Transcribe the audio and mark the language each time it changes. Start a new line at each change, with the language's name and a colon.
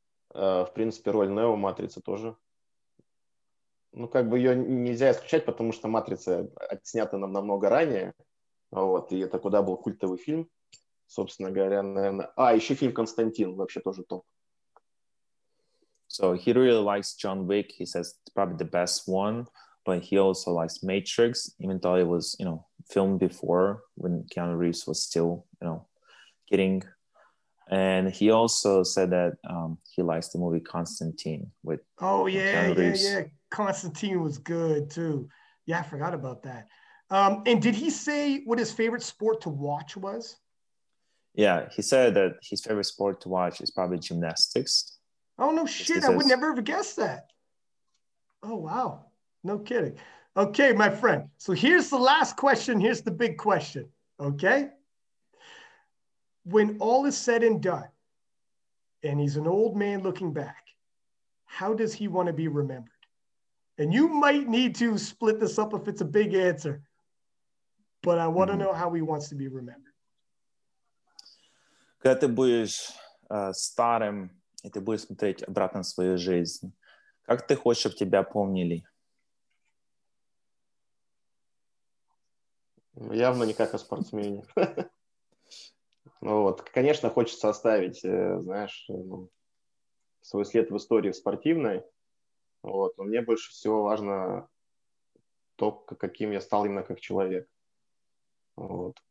Russian: В принципе, роль Нео матрицы тоже. Ну, как бы ее нельзя исключать, потому что «Матрица» отснята нам намного ранее. Вот, и это куда был культовый фильм, собственно говоря, наверное. А, еще фильм «Константин» вообще тоже топ.
English: So he really likes John Wick. He says it's probably the best one, but he also likes Matrix, even though it was, you know, filmed before when Keanu Reeves was still, you know, getting. And he also said that he likes the movie Constantine with Oh, Keanu Reeves. yeah. Constantine was good too. Yeah, I forgot about that. And did he say what his favorite sport to watch was? Yeah, he said that his favorite sport to watch is probably gymnastics, Oh, no as he shit. I would says. never have guessed that. Oh, wow. No kidding. Okay, my friend. So here's the last question. Here's the big question. Okay. When all is said and done, and he's an old man looking back, how does he want to be remembered? And you might need to split this up if it's a big answer, but I want to know how he wants to be remembered.
Ukrainian: Коли ти будеш старим і ти будеш
Russian: смотреть обратно свою жизнь,
Ukrainian: як ти хочеш, щоб тебе
Russian: помнили? Явно не как о спортсмене. Ну вот, конечно, хочется оставить, знаешь, ну, свой след в истории спортивной. Вот. Но мне больше всего важно то, каким я стал именно как человек. Вот.